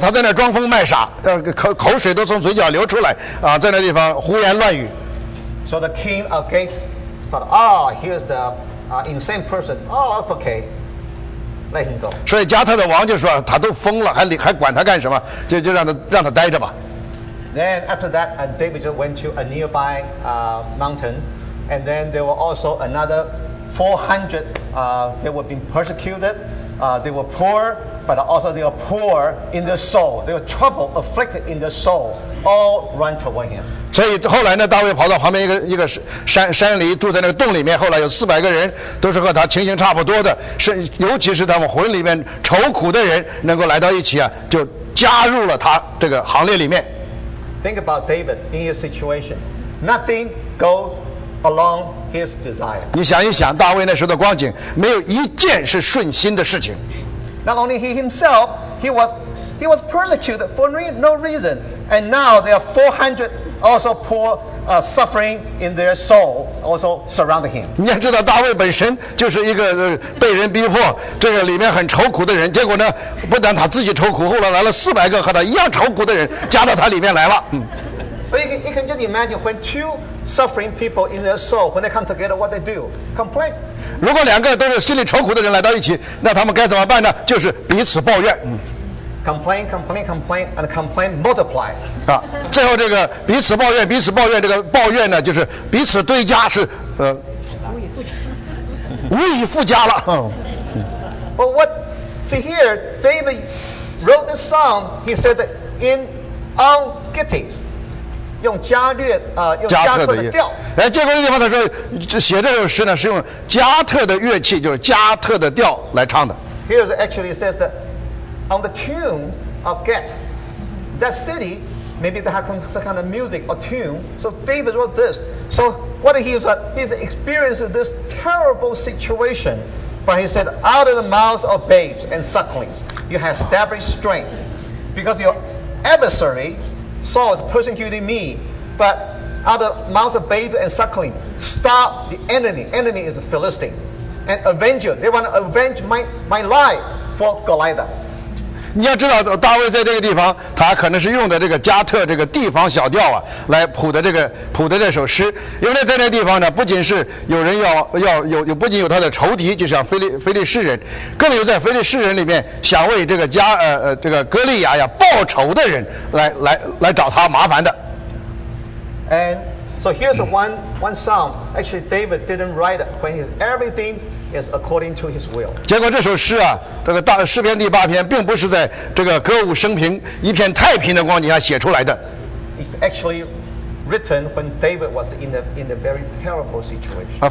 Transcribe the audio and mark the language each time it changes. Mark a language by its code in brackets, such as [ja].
[zh] 他在那装疯卖傻，口水都从嘴角流出来啊，在那地方胡言乱语。 [en] So the king of Gate thought, "Oh, here's the insane person. Oh, that's okay." [zh] 所以加特的王就说他都疯了 还管他干什么就让他待着吧 [en] Then after that David went to a nearby mountain and then there were also another 400 they were being persecuted they were poor but also they were poor in their soul they were troubled afflicted in their soul all run toward him [zh] 所以后来呢，大卫跑到旁边一个山里，住在那个洞里面。后来有400个人，都是和他情形差不多的，是尤其是他们魂里面愁苦的人，能够来到一起啊，就加入了他这个行列里面。 [en] Think about David in his situation. Nothing goes along his desire. [zh] 你想一想大卫那时候的光景，没有一件是顺心的事情。 [en] Not only he himself, he was persecuted for no reason, and now there are 400. Also, poor suffering in their soul also surrounded him. [zh] 你要知道，大卫本身就是一个被人逼迫，这个里面很愁苦的人。结果呢，不但他自己愁苦，后来来了400个和他一样愁苦的人，加到他里面来了。 [en] So you can just imagine when two suffering people in their soul when they come together, what they do? Complain. [zh] 如果两个都是心里愁苦的人来到一起，那他们该怎么办呢？就是彼此抱怨。 [en] Complain, complain, complain, and complain multiply. [zh] 最后这个彼此抱怨，彼此抱怨，这个抱怨呢，就是彼此堆加是无以复加了。 [en] But what? See here, David wrote the song. He said that in on getting, [zh] 用加略用加特的调。结果这地方他说写这首诗呢，是用加特的乐器，就是加特的调来唱的。 [en] Here's actually says that. On the tune of Gath, that city, maybe they have some kind of music or tune. So David wrote this. So what he's experienced this terrible situation, but he said, out of the mouths of babes and sucklings, you have established strength. Because your adversary, Saul, is persecuting me, but out of the mouths of babes and sucklings, stop the enemy. Enemy is the Philistine. And avenger, they want to avenge my life for Goliath. [zh] 你要知道大卫在这个地方他可能是用的这个加特这个地方小调啊来谱的这首诗因为在那地方呢不仅是有人要有不仅有他的仇敌就像非利士人更有在非利士人里面想为这个加这个哥利亚呀报仇的人来找他麻烦的 [en] And so here's one psalm actually David didn't write it when everything is according to his will. [zh] 结果这首诗啊，这个大诗篇第八篇，并不是在这个歌舞升平、一片太平的光景下写出来的。 [en] It's actually written when David was in the very terrible situation.